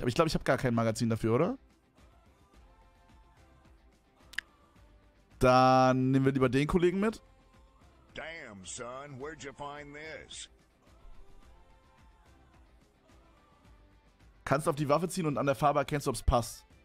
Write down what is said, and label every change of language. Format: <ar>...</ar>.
<de>Aber ich glaube, ich habe gar kein Magazin dafür, oder? Dann nehmen wir lieber den Kollegen mit.</de> <en>Damn, son, where'd you find this?</en> <de>Kannst du auf die Waffe ziehen und an der Farbe erkennst du, ob es passt.</de>